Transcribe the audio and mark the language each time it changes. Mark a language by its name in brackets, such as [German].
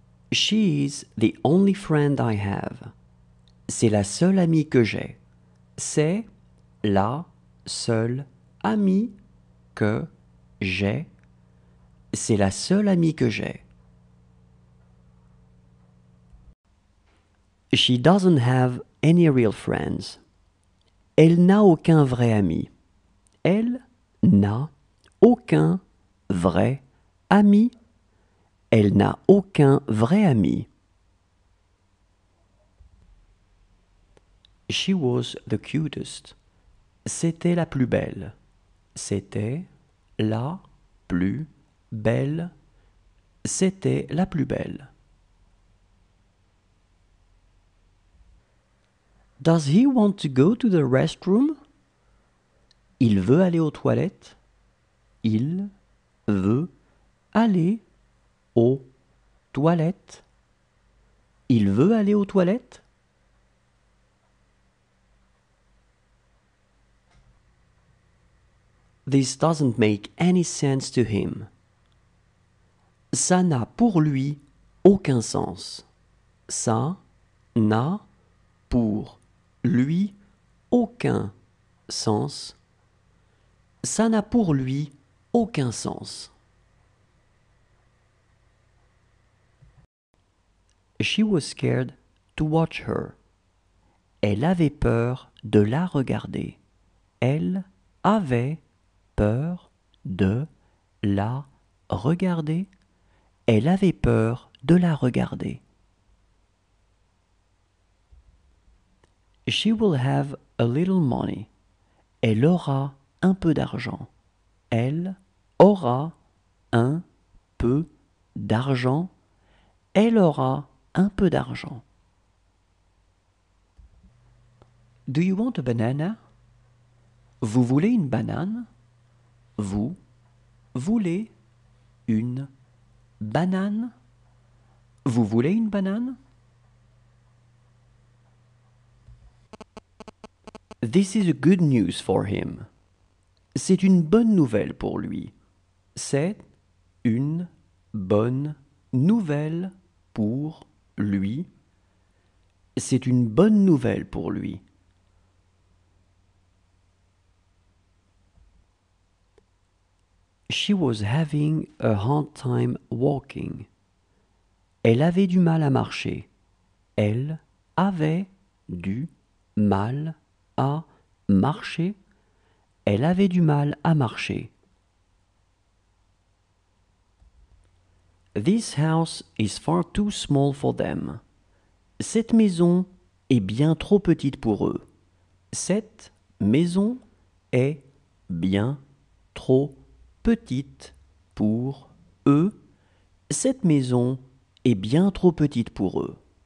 [English] She is the only friend I have. [French] C'est la seule amie que j'ai. C'est la seule amie que j'ai. C'est la seule amie que j'ai. [English] She doesn't have any real friends. [French] Elle n'a aucun vrai ami. Elle n'a aucun vrai ami. Elle n'a aucun vrai ami. [English] She was the cutest. [French] C'était la plus belle. C'était la plus belle. C'était la plus belle. [English] Does he want to go to the restroom? [French] Il veut aller aux toilettes. Il veut aller aux toilettes. Il veut aller aux toilettes. [English] This doesn't make any sense to him. [French] Ça n'a pour lui aucun sens. Ça n'a pour lui aucun sens. Ça n'a pour lui aucun sens. [English] She was scared to watch her. [French] Elle avait peur de la regarder. Elle avait peur de la regarder. Elle avait peur de la regarder. [English] She will have a little money. [French] Elle aura un peu d'argent. Elle aura un peu d'argent. Elle aura un peu d'argent. [English] Do you want a banana? [French] Vous voulez une banane? Vous voulez une banane? Vous voulez une banane? [English] This is a good news for him. [French] C'est une bonne nouvelle pour lui. C'est une bonne nouvelle pour lui. C'est une bonne nouvelle pour lui. [English] She was having a hard time walking. [French] Elle avait du mal à marcher. Elle avait du mal à marcher. mal à marcher. Elle avait du mal à marcher. [English] This house is far too small for them. [French] Cette maison est bien trop petite pour eux. Cette maison est bien trop petite pour eux. Cette maison est bien trop petite pour eux.